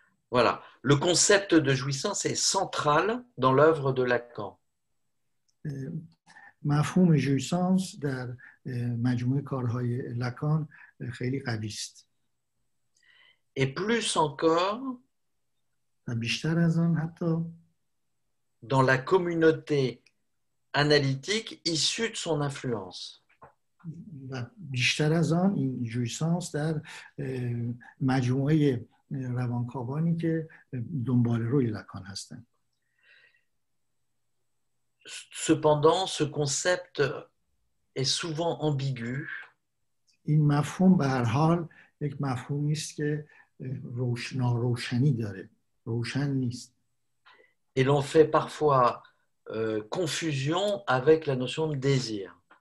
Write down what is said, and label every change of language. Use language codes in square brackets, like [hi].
[fr] Voilà, le concept de jouissance est central dans l'œuvre de Lacan. [fa] مفهوم جویسانس در مجموعه کارهای لکان خیلی قوی است. [fr] Et plus encore [fa] و بیشتر از آن حتی [fr] dans la communauté analytique issue de son influence. [fa] و بیشتر از آن این جویسانس در مجموعه روانکاوانی که دنبال روی لکان هستند. [fr] Cependant, ce concept est souvent ambigu. [fa] این مفهوم به هر حال یک مفهومی است که روشنی داره. روشن نیست. [fr] Et l'on fait parfois confusion avec la notion de désir.